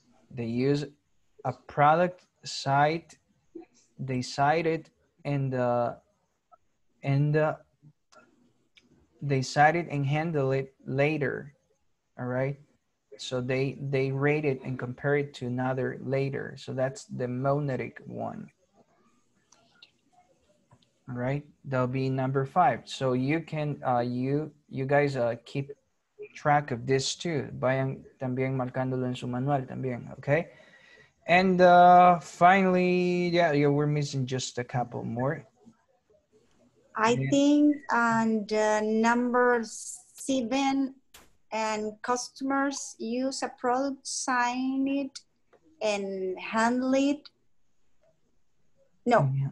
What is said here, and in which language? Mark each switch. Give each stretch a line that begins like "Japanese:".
English: They use a product site, they cite it and they cite it and handle it later, all right? So they rate it and compare it to another later. So that's the monadic one, all right? That'll be number five. So you can, you guys keep track of this too.
Spanish: Vayan también marcándolo en su manual también, okay?
English: And finally, yeah, we're missing just a couple more. I think on the number seven, and customers use a product, sign it, and handle it. No.